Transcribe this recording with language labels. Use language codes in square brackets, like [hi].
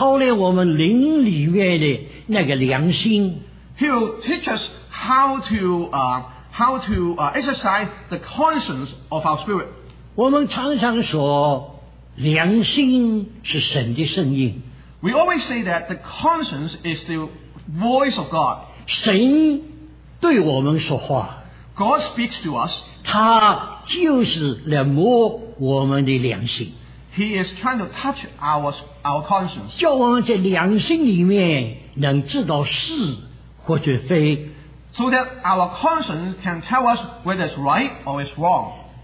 [zh] 他要教导我们怎样操练我们灵里面的那个良心。 [en] He will teach us how to exercise the conscience of our spirit. [zh] 我们常常说良心是神的声音。 [en] We always say that the conscience is the voice of God. [zh] 神对我们说话。 [en] God speaks to us. [zh] 他就是来摸我们的良心。 [en] He is trying to touch our conscience. [zh] 叫我们在良心里面能知道是或者非。 [en] So that our conscience can tell us whether it's right or it's wrong.